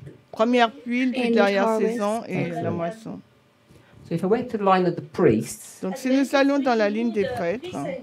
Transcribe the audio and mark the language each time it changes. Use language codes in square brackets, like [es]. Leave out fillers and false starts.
[fr] Première pluie du dernière saison et la moisson. [en] So if I went to the line of the priests. [fr] Donc si nous allons dans la ligne des prêtres.